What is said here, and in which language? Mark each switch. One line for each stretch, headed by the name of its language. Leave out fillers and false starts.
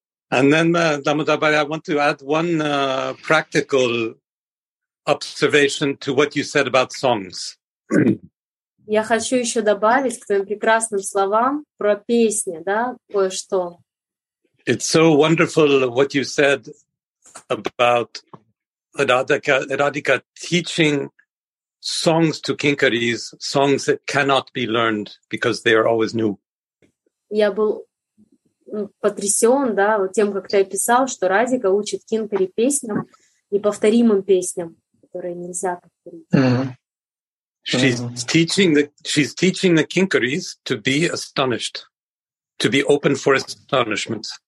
English: And then, Дамодар, I want to add one practical observation to what you said about songs.
Russian: Я хочу еще добавить к твоим прекрасным словам про песни, да, кое-что.
English: It's so wonderful what you said about Radhika teaching songs to kinkaris, songs that cannot be learned because they are always new.
Russian: Я был потрясён, да, тем, как ты описал, что Радика учит кинкари песням, неповторимым песням, которые нельзя повторить.
English: Mm-hmm. She's teaching the kinkaris to be astonished, to be open for astonishment.